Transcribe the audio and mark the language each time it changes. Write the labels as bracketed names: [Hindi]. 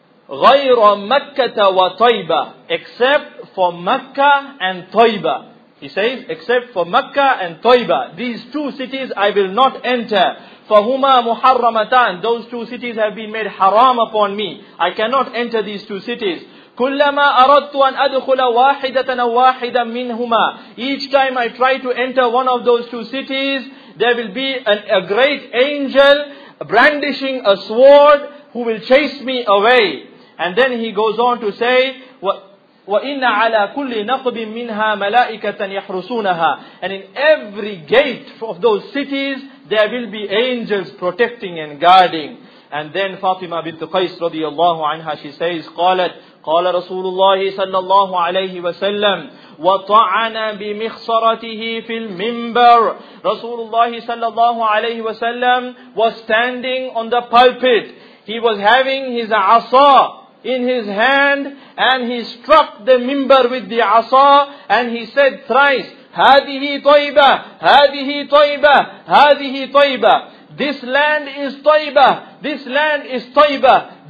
[Arabic] غير مكة وطيبة. [English] Except for Mecca and Taiba. He says, except for Mecca and Taiba. These two cities I will not enter. [Arabic] فهما محرمتان. [English] Those two cities have been made haram upon me. I cannot enter these two cities. [Arabic] كلما أردت أن أدخل واحدة أو واحدة منهما. [English] Each time I try to enter one of those two cities, there will be a great angel brandishing a sword who will chase me away. And then he goes on to say, [Arabic] وَإِنَّ عَلَى كُلِّ نَقْبٍ مِّنْهَا مَلَائِكَةً يَحْرُسُونَهَا. [English] And in every gate of those cities, there will be angels protecting and guarding. And then Fatima bint Qais radiallahu anha, she says, [Arabic] قالت قال رسول الله صلى الله عليه وسلم وطعن بمخصرته في المنبر. [English] رسول الله صلى الله عليه وسلم was standing on the pulpit. He was having his asa in his hand and he struck the minbar with the asa and he said thrice, [Arabic] هذه طيبة هذه طيبة هذه طيبة. [English] This land is Taiba. This land is Taiba.